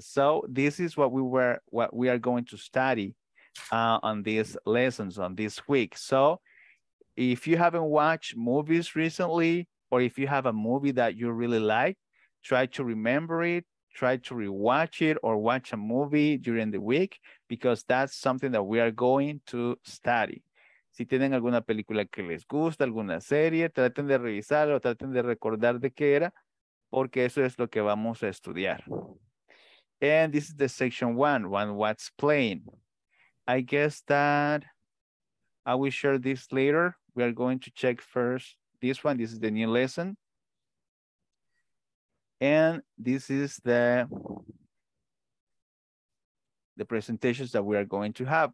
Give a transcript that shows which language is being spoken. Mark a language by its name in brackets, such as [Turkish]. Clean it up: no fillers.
[English] So this is what we are going to study on these lessons, on this week. So if you haven't watched movies recently, or if you have a movie that you really like, try to remember it, try to rewatch it, or watch a movie during the week, because that's something that we are going to study. [Spanish] Si tienen alguna película que les gusta, alguna serie, traten de revisarla o traten de recordar de qué era, porque eso es lo que vamos a estudiar. [English] And this is the section one, what's playing. I guess that I will share this later. We are going to check first this one. This is the new lesson. And this is the presentations that we are going to have.